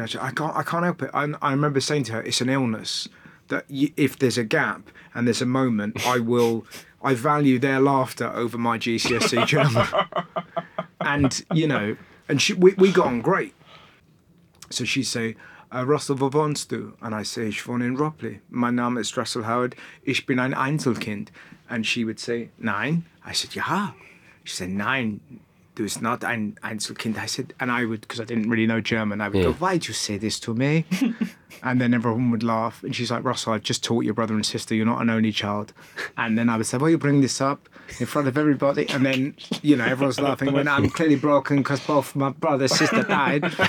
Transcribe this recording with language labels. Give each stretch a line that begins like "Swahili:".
English: I can't help it. I remember saying to her, it's an illness that if there's a gap and there's a moment, I value their laughter over my GCSE German. And, you know, and we got on great. So she'd say, Russell,
German: wo wohnst du?
English: And I say,
German: ich wohne in Ropley. Mein Name ist Russell Howard. Ich bin ein Einzelkind.
English: And she would say, nein. I said, ja. She said, nein,
German: du bist not ein Einzelkind.
English: I said, and I would, because I didn't really know German, I would go, why'd you say this to me? And then everyone would laugh. And she's like, Russell, I've just taught your brother and sister. You're not an only child. And then I would say, why are you bring this up in front of everybody? And then, you know, everyone's laughing when I'm clearly broken because both my brother and sister died.